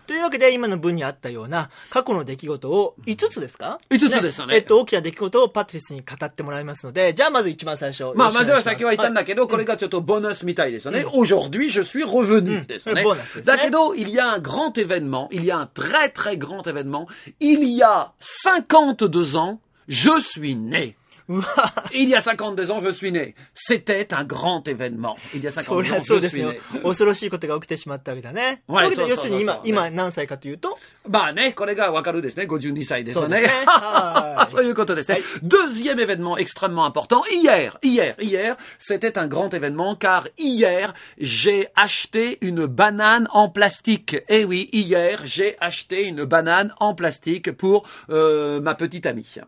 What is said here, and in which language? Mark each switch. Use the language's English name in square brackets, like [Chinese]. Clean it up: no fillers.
[Japanese] というわけで今の文にあったような過去の出来事を5つですか？ 5つですよね。大きな出来事をパトリスに語ってもらいますので、じゃあまず一番最初。まあまずは先は言ったんだけど、これがちょっとボナスみたいですよね。 [French] Aujourd'hui, je suis revenu [Japanese] ですね。 だけど、 [French] il y a un grand événement, il y a un très très grand événement. Il y a 52 ans, je suis né. Il y a 52 ans, je suis né. C'était un grand événement. Il y a 52 ans, je suis né. [Japanese] 恐ろしいことが起きてしまったわけだね。要するに今何歳かというと、まあね、これがわかるですね。 52歳ですね。そういうことですね。 [French] Deuxième événement extrêmement important. Hier, c'était un grand événement car hier, j'ai acheté une banane en plastique. Eh oui, hier, j'ai acheté une banane en plastique pour ma petite amie.